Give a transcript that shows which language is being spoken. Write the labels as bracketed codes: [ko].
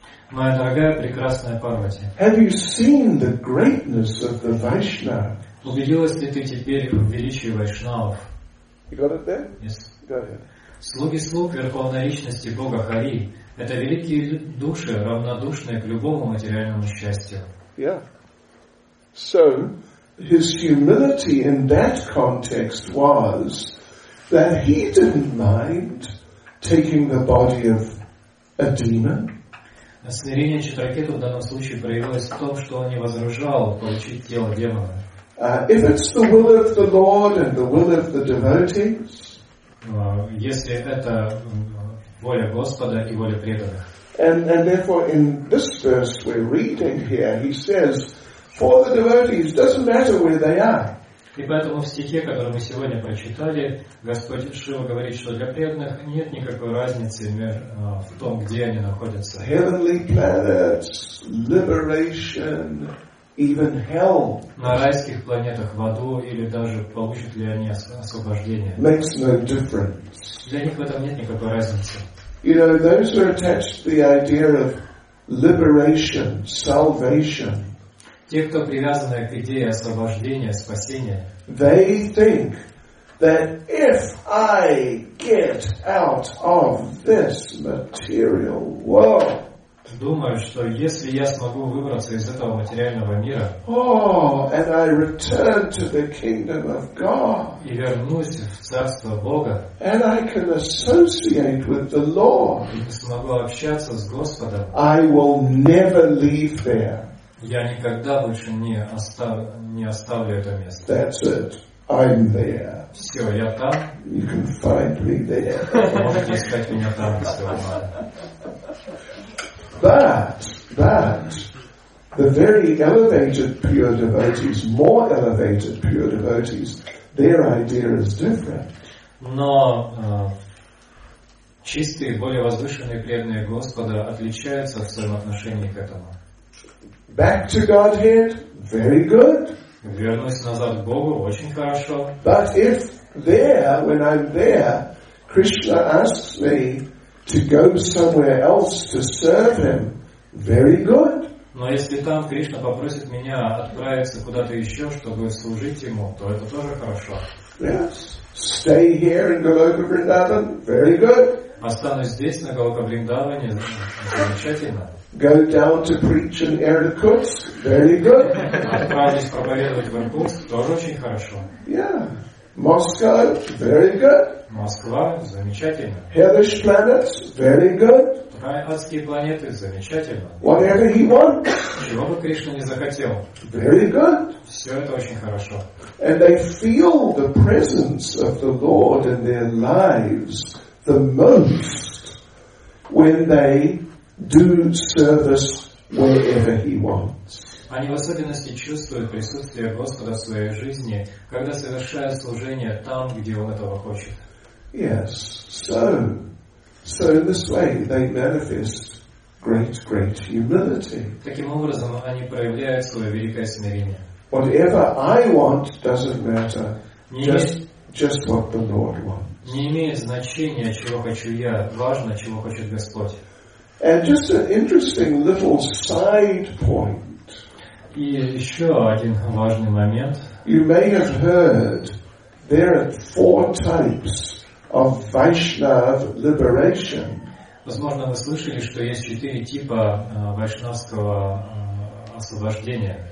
[ru] моя дорогая, прекрасная Парвати. [en] Have you seen the greatness of the Vaishnavas? [ru] Убедилась ли ты теперь в величии Вайшнавов? [en] You got it there? Yes. Go ahead. [ru] Слуги слуг верховной личности Бога Хари — это великие души, равнодушные к любому материальному счастью. [en] Yeah. So, his humility in that context was that he didn't mind taking the body of a demon. [ru] Смирение Читракету в данном случае проявилось в том, что он не возражал получить тело демона. [en] If it's the will of the Lord and the will of the devotees, [ru] если это воля Господа и воля преданных. [en] And therefore in this verse we're reading here, he says, for the devotees, doesn't matter where they are. [ru] И поэтому в стихе, который мы сегодня прочитали, Господь Шива говорит, что для преданных нет никакой разницы в том, где они находятся. [en] Heavenly planets, liberation, even hell. [ru] На райских планетах, в аду, или даже получат ли они освобождение. [en] Makes no difference. [ru] Для них в этом нет никакой разницы. [en] You know, those who are attached to the idea of liberation, salvation, [ru] те, кто привязаны к идее освобождения, спасения, [en] they think that if I get out of this material world, [ru] думаю, что если я смогу выбраться из этого материального мира, [en] and I return to the kingdom of God, [ru] и вернусь в царство Бога, [en] and I can associate with the Lord, [ru] и смогу общаться с Господом, [en] I will never leave there. [ru] Я никогда больше не оставлю это место. [en] That's it. I'm there. [ru] Все, я там. [en] You can find me there. [ru] Можете искать меня там, если вам надо. [en] But The very elevated pure devotees, more elevated pure devotees, their idea is different. [ru] Но чистые, более возвышенные преданные Господа отличаются в своем отношении к этому. [en] Back to Godhead, very good. [ru] Вернусь назад к Богу, очень хорошо. [en] But if there, when I'm there, Krishna asks me to go somewhere else to serve him, very good. [ru] Но если там Кришна попросит меня отправиться куда-то еще, чтобы служить ему, то это тоже хорошо. [en] Yes. Stay here in Goloka Vrindavan. Very good. [ru] Останусь здесь на Голока Вриндаване. Замечательно. [en] Go down to preach in Irkutsk. Very good. [ru] Отправились проповедовать в Иркутск. Тоже очень хорошо. [en] Yeah. Moscow. Very good. [ru] Москва. Замечательно. [en] Hellish planets. Very good. [ru] Адские планеты. Замечательно. [en] Whatever he wants. [ru] Чего бы Кришна не захотел. [en] Very good. [ru] Все это очень хорошо. [en] And they feel the presence of the Lord in their lives the most when they do service wherever he wants. [ru] Они в особенности чувствуют присутствие Господа в своей жизни, когда совершают служение там, где он этого хочет. [en] Yes, so in this way they manifest great humility. [ru] Таким образом они проявляют свое великое смирение. [en] Whatever I want doesn't matter. Just what the Lord wants. [ru] Не имеет значения, чего хочу я, важно, чего хочет Господь. [en] And just an interesting little side point. [ru] И еще один важный момент. [en] You may have heard there are four types of Vaishnav liberation. [ru] Возможно, вы слышали, что есть четыре типа вайшнавского освобождения.